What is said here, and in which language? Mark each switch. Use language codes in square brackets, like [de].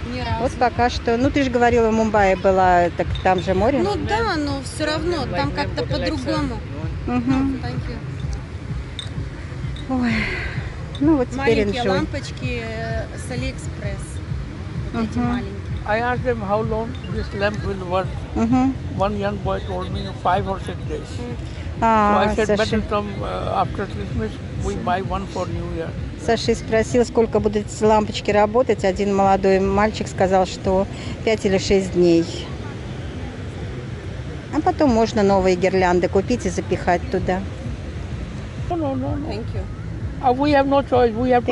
[ru] Ни разу. Вот пока что. Ну, ты же говорила, в Мумбаи была, так там же море. Ну, да, но все равно, там как-то по-другому. Угу. Ой. Ну вот маленькие [en] enjoy. [ru] Лампочки с AliExpress. Вот эти маленькие. [en] I asked them how long this lamp will work. One young boy told me 5 or 6 days. So I said [ru] Саша. [en] Better come after Christmas we buy one for New Year. [ru] Саша спросил, сколько будут лампочки работать. Один молодой мальчик сказал, что 5 или 6 дней. А потом можно новые гирлянды купить и запихать туда. [en] No. Thank you. We have no choice. We have to